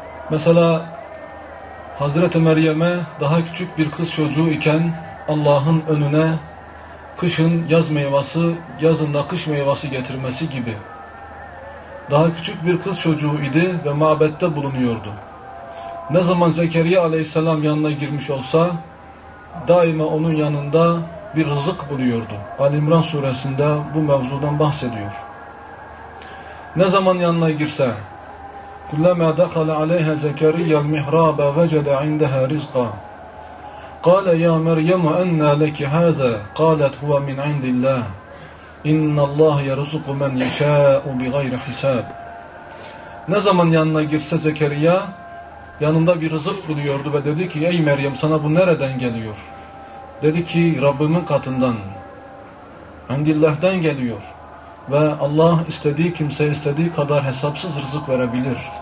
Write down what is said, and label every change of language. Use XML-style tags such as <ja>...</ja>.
<tr>Mesela Hazreti Meryem'e daha küçük bir kız çocuğu iken Allah'ın önüne kışın yaz meyvesi, yazında kış meyvesi getirmesi gibi. Daha küçük bir kız çocuğu idi ve mabette bulunuyordu. Ne zaman Zekeriya aleyhisselam yanına girmiş olsa daima onun yanında bir rızık buluyordu. Ali İmran suresinde bu mevzudan bahsediyor. Ne zaman yanına girse</tr> <ar>كُلَّمَا دَخَلَ عَلَيْهَا زَكَرِيَّ الْمِحْرَابَ وَجَدَ عِنْدَهَا رِزْقًا قَالَ يَا مَرْيَمُ أَنَّا لَكِ هَذَا قَالَتْ هُوَ مِنْ عِنْدِ اللّٰهِ اِنَّ اللّٰهِ يَرُزُقُ مَنْ يَشَاءُ بِغَيْرِ حِسَابٍ.</ar> <tr>Ne zaman yanına girse Zekeriya yanında bir rızık buluyordu ve dedi ki ey Meryem, sana bu nereden geliyor? Dedi ki Rabbimin katından, indillah'tan geliyor. Ve Allah istediği kimseye istediği kadar hesapsız rızık verebilir.</tr>